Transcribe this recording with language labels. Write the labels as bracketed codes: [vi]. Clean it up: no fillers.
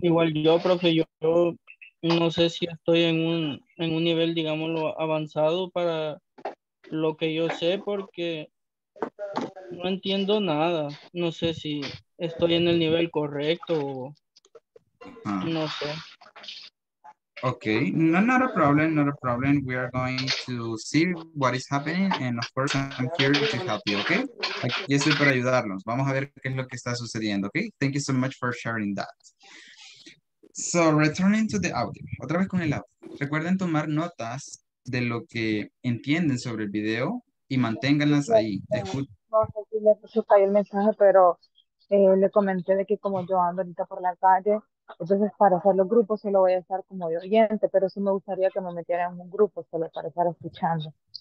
[es] Igual yo, profe, yo no sé si estoy en un nivel, digámoslo, avanzado para lo que yo sé, porque no entiendo nada. No sé si estoy en el nivel correcto o no sé. [en] Okay, no, not a problem, not a problem. We are going to see what is happening and of course I'm here to help you, okay? [es] Aquí estoy para ayudarlos. Vamos a ver qué es lo que está sucediendo, okay? [en] Thank you so much for sharing that. So, returning to the audio. [es] Otra vez con el audio. Recuerden tomar notas de lo que entienden sobre el video y manténganlas ahí. No sé si le puse ahí el mensaje, pero le comenté de que como yo ando ahorita por la calle, entonces para hacer los grupos solo voy a estar como de oyente, pero sí me gustaría que me metiera en un grupo solo para estar escuchando.